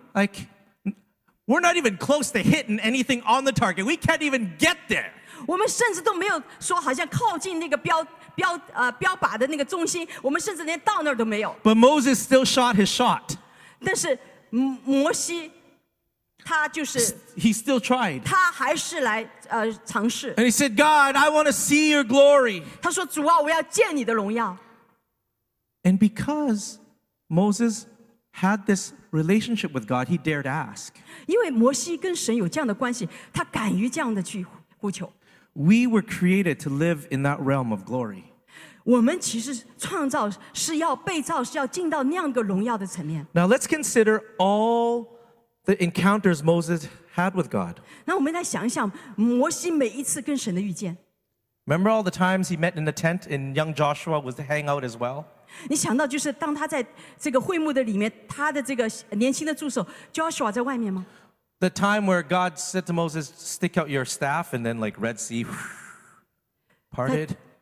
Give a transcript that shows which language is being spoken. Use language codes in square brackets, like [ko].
[en] Like, We're not even close to hitting anything on the target. We can't even get there. [zh] 我们甚至都没有说好像靠近那个标靶的那个中心, 我们甚至连到那儿都没有。 [en] But Moses still shot his shot. [zh] 但是摩西他就是, [en] He still tried. [zh] 他还是来, [en] And he said, God, I want to see your glory. [zh] 他说, 主啊, 我要见你的荣耀。 [en] And because Moses had this relationship with God, he dared ask. [zh] 因为摩西跟神有这样的关系, 他敢于这样的去呼求。 [en] We were created to live in that realm of glory. [zh] 我们其实创造是要被造, 是要进到那样的荣耀的层面。 [en] Now let's consider all the encounters Moses had with God. [zh] 那我们来想一想, 摩西每一次跟神的遇见。 [en] Remember all the times he met in the tent and young Joshua was to hang out as well? [zh] 你想到就是当他在这个会幕的里面, 他的这个年轻的助手, Joshua在外面吗? [en] The time where God said to Moses, stick out your staff, and then like Red Sea parted.